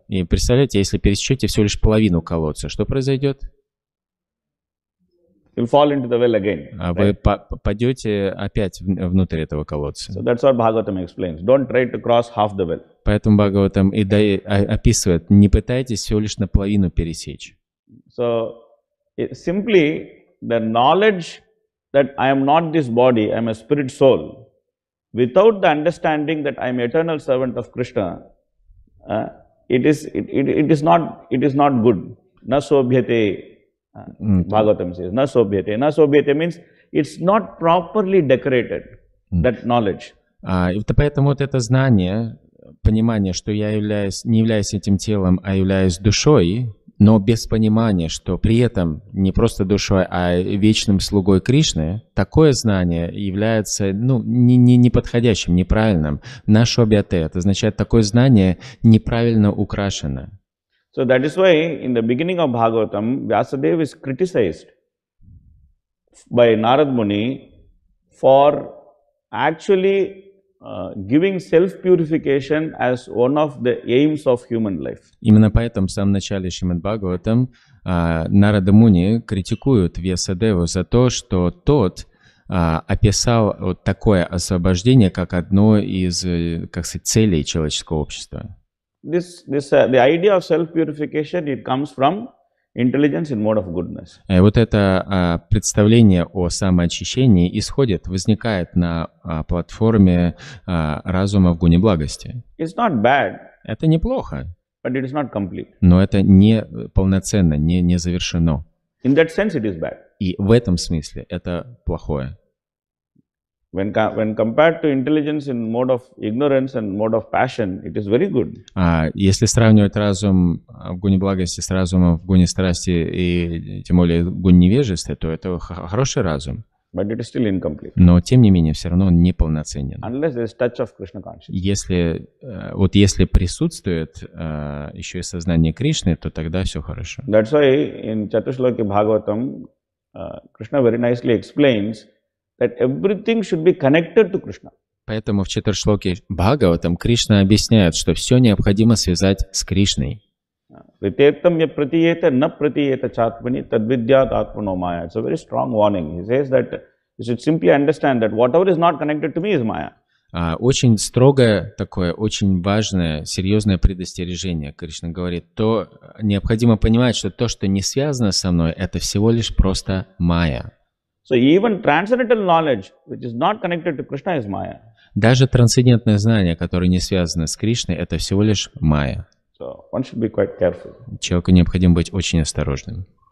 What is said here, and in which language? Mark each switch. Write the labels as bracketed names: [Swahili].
[Russian] И представляете, если пересечете всего лишь половину колодца, что произойдет? [English] You'll fall into the well again. [Russian] А вы попадете опять внутрь этого колодца. [English] So that's what Bhagavatam explains. Don't try to cross half the well. [Russian] Поэтому Бхагаватам и описывает: не пытайтесь всего лишь наполовину пересечь. [English] So simply the knowledge that I am not this body, I am a spirit soul, without the understanding that I am eternal servant of Krishna, it is not good. [Sanskrit] Na sobhyate, [English] Bhagavatam says, [Sanskrit] na sobhyate. [English] Na sobhyate means it's not properly decorated, that knowledge. [Russian] Поэтому вот это знание, понимание, что я не являюсь этим телом, а являюсь душой, но без понимания, что при этом не просто душой, а вечным слугой Кришны, такое знание является неподходящим, неправильным. На шобьяте, это означает, такое знание неправильно украшено. [English] So that is why in the beginning of Bhagavatam, Vyasadeva is criticized by Narad Muni for actually giving self-purification as one of the aims of human life. [Russian] Именно поэтому в самом начале Шримад-Бхагаватам Нарада Муни критикуют Вьясадеву за то, что тот описал вот такое освобождение как одно из, как сказать, целей человеческого общества. [English] The idea of self-purification, it comes from intelligence in mode of goodness. [Russian] Вот это представление о самоочищении исходит, возникает на платформе разума в гуне благости. [English] It's not bad. [Russian] Это неплохо. [English] But it is not complete. [Russian] Но это не полноценно, не завершено. [English] In that sense, it is bad. [Russian] И в этом смысле это плохое. [English] When compared to intelligence in mode of ignorance and mode of passion, it is very good. [Russian] Если сравнивать разум в гуне благости с разумом в гуне страсти и тем более в гуне невежества, то это хороший разум. [English] But it is still incomplete. [Russian] Но тем не менее, все равно он неполноценен. [English] Unless there is touch of Krishna consciousness. [Russian] Если присутствует еще и сознание Кришны, то тогда все хорошо. [English] That's why in Chatushloki Bhagavatam, Krishna very nicely explains that everything should be connected to Krishna. [Russian] Поэтому в четвершлоке Бхагаватам Кришна объясняет, что все необходимо связать с Кришной. [Sanskrit] Ритеттам я пратиета на пратиета чатмани тадвидьят атмано майя. [English] It's a very strong warning. He says that you should simply understand that whatever is not connected to me is maya. [Russian] Очень строгое такое, очень важное, серьезное предостережение. Кришна говорит, то необходимо понимать, что то, что не связано со мной, это всего лишь просто майя. [English] So even transcendental knowledge, which is not connected to Krishna, is Maya. [Russian] Даже трансцендентное знание, которое не связано с Кришной, это всего лишь Майя. [English] So one should be quite careful. [Russian] Человеку необходимо быть очень осторожным.